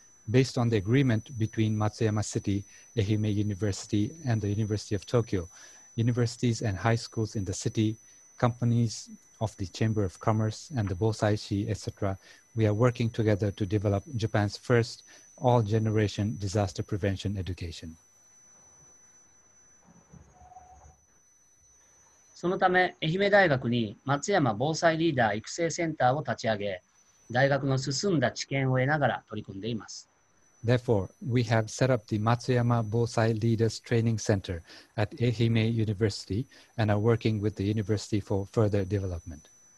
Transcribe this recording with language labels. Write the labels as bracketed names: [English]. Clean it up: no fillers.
[English] Based on the agreement between Matsuyama City, Ehime University, and the University of Tokyo, universities and high schools in the city, companies of the Chamber of Commerce and the Bosaishi, etc., we are working together to develop Japan's first all-generation disaster prevention education. [Japanese] そのため、愛媛大学に松山防災リーダー育成センターを立ち上げ、大学の進んだ知見を得ながら取り組んでいます。 [English] Therefore, we have set up the Matsuyama Bosai Leaders Training Center at Ehime University and are working with the university for further development.